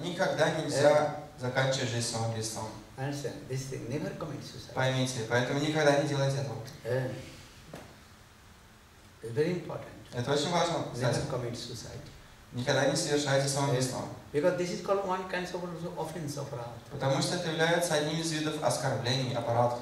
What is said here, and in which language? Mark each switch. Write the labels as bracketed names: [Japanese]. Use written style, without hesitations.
[Russian] Никогда нельзя заканчивать жизнь самоубийством. [English] Understand? This thing never commit suicide. [Russian] Поймите, поэтому никогда не делайте этого. [English] It's very important. [Russian] Это очень важно. [English] Never commit suicide. [Russian] Никогда не совершайте самоубийство. [English] Because this is called one kind of offense of aparat. [Russian] Потому что это является одним из видов оскорблений аппарата.